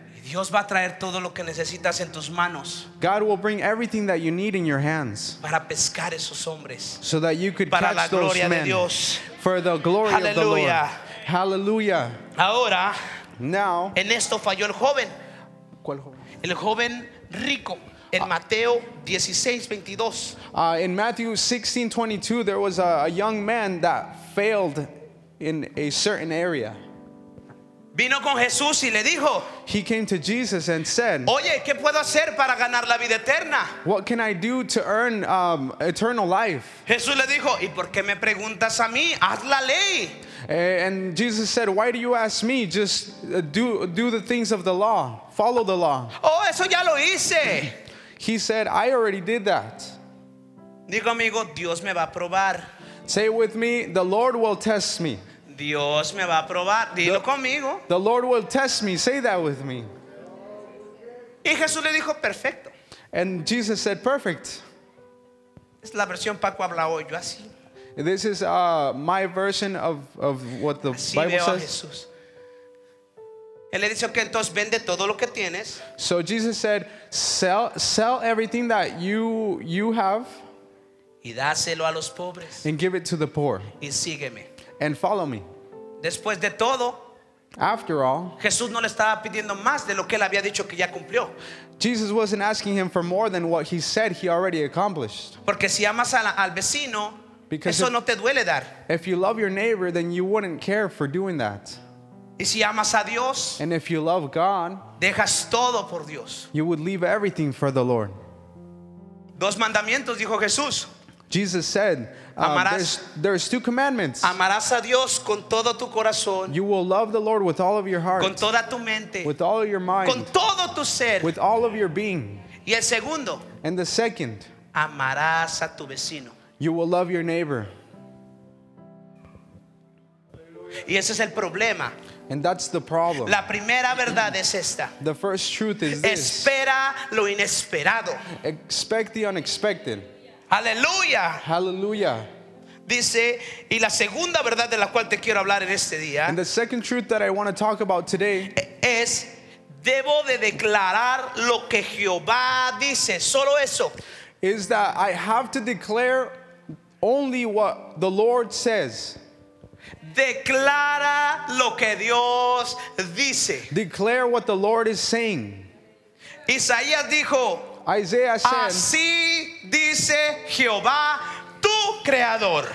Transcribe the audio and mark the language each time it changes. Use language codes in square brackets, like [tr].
[es] Y Dios va a traer todo lo que necesitas en tus manos. [en] God will bring everything that you need in your hands. [es] Para pescar esos hombres. [en] So that you could [es] para [en] catch those men. [es] Para la gloria de Dios. [en] For the glory hallelujah. Of the Lord. Hallelujah. [es] Ahora, [en] now, [es] en esto falló el joven. ¿Cuál joven? El joven rico. En Mateo 16:22. [en] In Matthew 16:22, there was a young man that failed in a certain area. [es] Vino con Jesús y le dijo. [en] He came to Jesus and said. [es] Oye, ¿qué puedo hacer para ganar la vida eterna? [en] What can I do to earn eternal life? [es] Jesús le dijo, ¿y por qué me preguntas a mí? Haz la ley. [en] And Jesus said, why do you ask me? Just do the things of the law. Follow the law. [es] Oh, eso ya lo hice. [en] He said, I already did that. [es] Digo amigo, Dios me va a probar. [en] Say it with me, the Lord will test me. [es] Dios me va a probar. Dilo conmigo. [en] The Lord will test me. Say that with me. [es] Y Jesús le dijo, perfecto. [en] And Jesus said, perfect. [es] Es la versión Paco habla hoy, yo así. [en] This is my version of what the [es] así [en] Bible [es] veo [en] says. [es] A Jesús. Él le dice, okay, entonces vende todo lo que tienes. [en] So Jesus said, sell everything that you have. [es] Y dáselo a los pobres. [en] And give it to the poor. [es] Y sígueme. [en] And follow me. [es] Después de todo, [en] after all, [es] Jesús no le estaba pidiendo más de lo que él había dicho que ya cumplió. [en] Jesus wasn't asking him for more than what he said he already accomplished. [es] Porque si amas al vecino, eso no te duele dar. [en] If you love your neighbor, then you wouldn't care for doing that. [es] Y si amas a Dios, [en] and if you love God, [es] dejas todo por Dios. [en] You would leave everything for the Lord. [es] Dos mandamientos, dijo Jesús. [en] Jesus said, there's two commandments. [es] Amarás a Dios con todo tu corazón. [en] You will love the Lord with all of your heart. [es] Con toda tu mente. [en] With all of your mind. [es] Con todo tu ser. [en] With all of your being. [es] Y el segundo. [en] And the second. [es] Amarás a tu vecino. [en] You will love your neighbor. [es] Y ese es el problema. [en] And that's the problem. [es] La primera verdad es esta. [en] The first truth is this. [es] Espera lo inesperado. [en] Expect the unexpected. [es] Aleluya. [en] Hallelujah. [es] Dice, y la segunda verdad de la cual te quiero hablar en este día. [en] And the second truth that I want to talk about today [es] es debo de declarar lo que Jehová dice, solo eso. [en] Is that I have to declare only what the Lord says. [es] Declara lo que Dios dice. [en] Declare what the Lord is saying. [es] Isaías dijo, [en] Isaiah said, [es] así dice Jehová, tu creador.